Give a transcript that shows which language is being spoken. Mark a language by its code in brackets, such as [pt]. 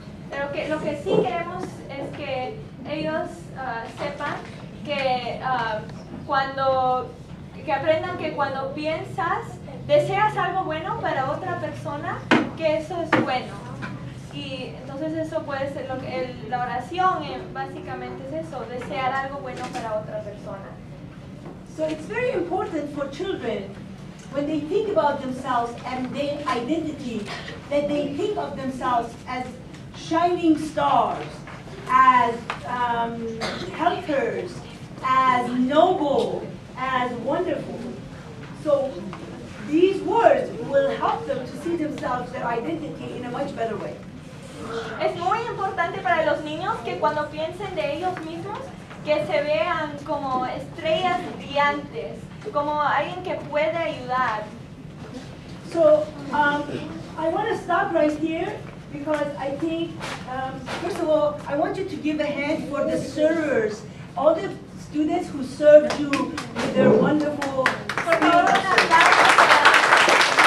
[es] Pero que lo que sí queremos es que ellos sepan que aprendan que cuando piensas deseas algo bueno para otra persona, que eso es bueno. Y entonces eso puede ser la oración, básicamente es eso, desear algo bueno para otra persona. [en] So it's very important for children, when they think about themselves and their identity, that they think of themselves as shining stars, as helpers, as noble, as wonderful. So these words will help them to see themselves, their identity, in a much better way. [es] Es muy importante para los niños que cuando piensen de ellos mismos, que se vean como estrellas brillantes, como alguien que puede ayudar. [en] So, I want to stop right here because I think, first of all, I want you to give a hand for the servers, all the students who served you with their wonderful speeches.